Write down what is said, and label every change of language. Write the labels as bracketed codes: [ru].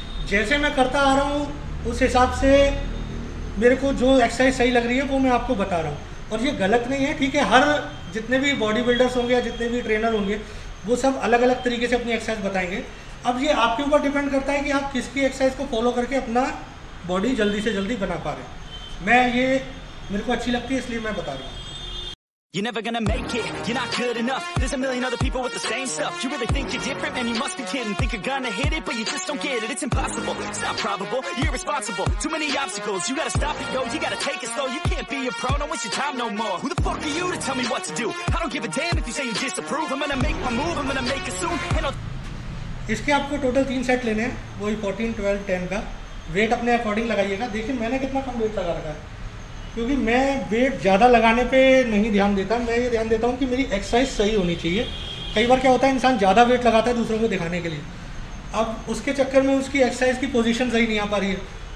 [hi] जैसे मैं करता आ रहा हूँ उस हिसाब से मेरे को जो एक्सरसाइज सही लग रही है वो मैं आपको बता रहा हूँ, और ये गलत नहीं है, ठीक है। हर जितने भी बॉडी बिल्डर्स होंगे या जितने भी ट्रेनर होंगे वो सब अलग अलग तरीके से अपनी एक्सरसाइज बताएंगे। अब ये आपके ऊपर डिपेंड करता है कि आप किसकी एक्सरसाइज को फॉलो करके अपना बॉडी जल्दी से जल्दी बना पा रहे हैं। मैं ये मेरे को अच्छी लगती है इसलिए मैं बता रहा हूँ। [en] You're never gonna make it, you're not good enough. There's a million other people with the same stuff. You really think you're different, man, you must be kidding. Think you're gonna hit it, but you just don't get it. It's impossible, it's not probable, you're irresponsible. Too many obstacles, you gotta stop it, yo. You gotta take it slow, you can't be a pro. No, it's your time no more. Who the fuck are you to tell me what to do? I don't give a damn if you say you disapprove. I'm gonna make my move, I'm gonna make it soon. [hi] इसके आपको total तीन set लेने हैं, वो ही 14, 12, 10 का। Wait अपने according लगाइएगा। देखिए मैंने कितना कम वेट लगा रखा है, क्योंकि मैं वेट ज़्यादा लगाने पे नहीं ध्यान देता, मैं ये ध्यान देता हूँ कि मेरी एक्सरसाइज सही होनी चाहिए। कई बार क्या होता है, इंसान ज़्यादा वेट लगाता है दूसरों को दिखाने के लिए, अब उसके चक्कर में उसकी एक्सरसाइज की पोजीशन सही नहीं आ पा रही है।